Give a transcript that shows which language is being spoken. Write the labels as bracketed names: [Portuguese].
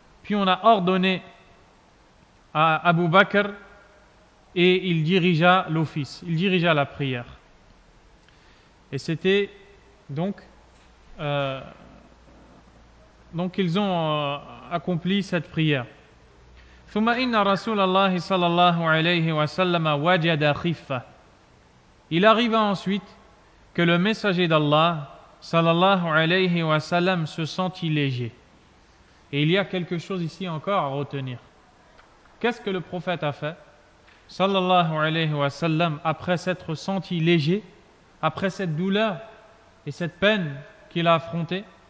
[French] Puis on a ordonné à Abu Bakr et il dirigea l'office, il dirigea la prière. Et c'était donc ils ont accompli cette prière. [Arabic] ثم إن رسول الله صلى الله عليه وسلم وجد خفة. [French] Il arriva ensuite que le messager d'Allah صلى الله عليه وسلم se sentit léger. Et il y a quelque chose ici encore à retenir. Qu'est-ce que le prophète a fait صلى الله عليه وسلم après s'être senti léger, après cette douleur et cette peine qu'il a affrontée?